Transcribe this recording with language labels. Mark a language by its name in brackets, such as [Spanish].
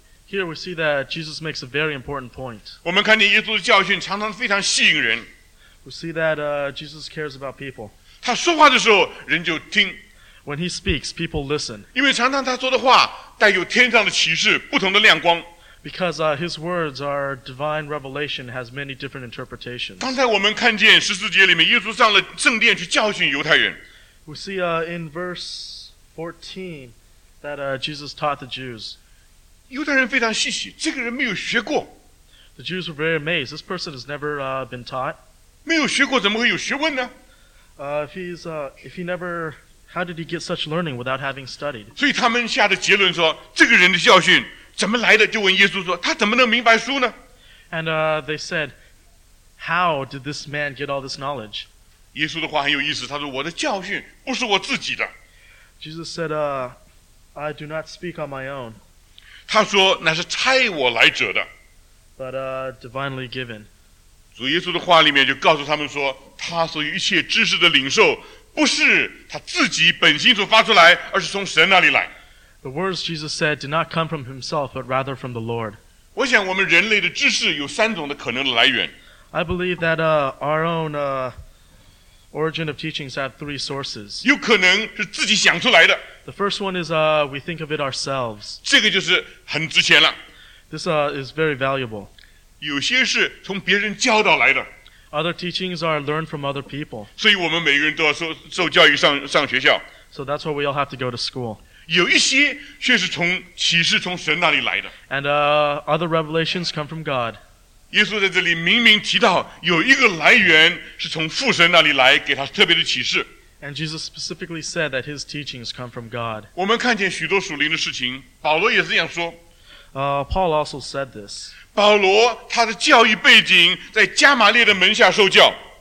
[English] Here we see that Jesus makes a very important point. [Chinese] 我们看见耶稣的教训常常非常吸引人。 [English] We see that Jesus cares about people. [Chinese] 他说话的时候，人就听。 [English] When he speaks, people listen. [Chinese] 因为常常他说的话带有天上的启示，不同的亮光。 [English] Because his words are divine revelation, has many different interpretations. [Chinese] 刚才我们看见十四节里面，耶稣上了圣殿去教训犹太人。 [English] We see in verse 14 that Jesus taught the Jews. [Chinese] 犹太人非常稀奇，这个人没有学过。 [English] The Jews were very amazed. This person has never been taught. [Chinese] 没有学过，怎么会有学问呢？ [English] How did he get such learning without having studied? [Chinese] 所以他们下的结论说，这个人的教训怎么来的？就问耶稣说，他怎么能明白书呢？ [English] And they said, how did this man get all this knowledge? [Chinese] 耶稣的话很有意思，他说，我的教训不是我自己的。 [English] Jesus said, I do not speak on my own. [Chinese] 他说，乃是差我来者的。 [English] But divinely given. [Chinese] 主耶稣的话里面就告诉他们说，他所有一切知识的领受，不是他自己本心所发出来，而是从神那里来。 [English] The words Jesus said did not come from himself, but rather from the Lord. [Chinese] 我想我们人类的知识有三种的可能的来源。 [English] I believe that our own origin of teachings have three sources. [Chinese] 有可能是自己想出来的。 [English] The first one is we think of it ourselves. [Chinese] 这个就是很值钱了。 [English] This is very valuable. [Chinese] 有些是从别人教导来的。 [English] Other teachings are learned from other people. [Chinese] 所以我们每个人都要受教育上学校。 [English] So that's why we all have to go to school. [Chinese] 有一些却是从启示从神那里来的。 [English] And other revelations come from God. [Chinese] 耶稣在这里明明提到有一个来源是从父神那里来给他特别的启示。 [English] And Jesus specifically said that his teachings come from God. [Chinese] 我们看见许多属灵的事情，保罗也是这样说。 [English] Paul also said this. [Chinese] 保罗他的教育背景在加玛列的门下受教。